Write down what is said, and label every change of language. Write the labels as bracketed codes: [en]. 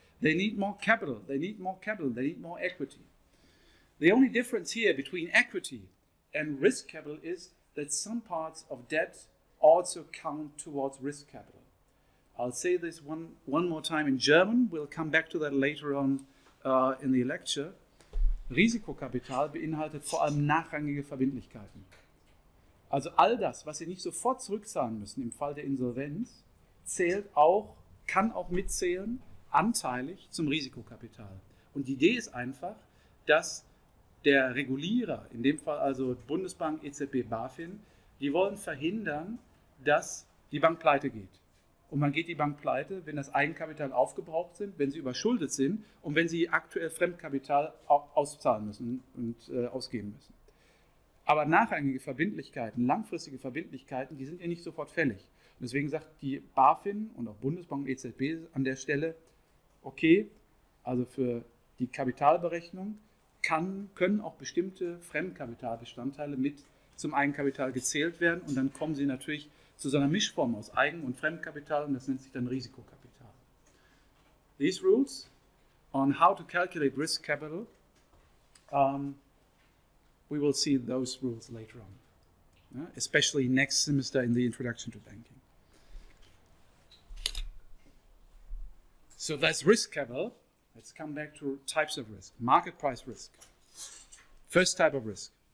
[en] They need more capital, they need more capital, they need more equity. The only difference here between equity and risk capital is that some parts of debt also count towards risk capital. I'll say this one more time in German. We'll come back to that later on in the lecture. [de] Risikokapital beinhaltet vor allem nachrangige Verbindlichkeiten. Also all das, was Sie nicht sofort zurückzahlen müssen im Fall der Insolvenz, zählt auch, kann auch mitzählen, anteilig zum Risikokapital. Und die Idee ist einfach, dass der Regulierer, in dem Fall also Bundesbank, EZB, BaFin, die wollen verhindern, dass die Bank pleite geht. Und man geht die Bank pleite, wenn das Eigenkapital aufgebraucht sind, wenn sie überschuldet sind und wenn sie aktuell Fremdkapital auszahlen müssen und ausgeben müssen. Aber nachrangige Verbindlichkeiten, langfristige Verbindlichkeiten, die sind ja nicht sofort fällig. Und deswegen sagt die BaFin und auch Bundesbank und EZB an der Stelle, okay, also für die Kapitalberechnung können auch bestimmte Fremdkapitalbestandteile mit zum Eigenkapital gezählt werden und dann kommen sie natürlich zu so einer Mischform aus Eigen- und Fremdkapital und das nennt sich dann Risikokapital. [en] These rules on how to calculate risk capital, we will see those rules later on, especially next semester in the introduction to banking. So that's risk capital. Let's come back to types of risk. Market price risk. First type of risk.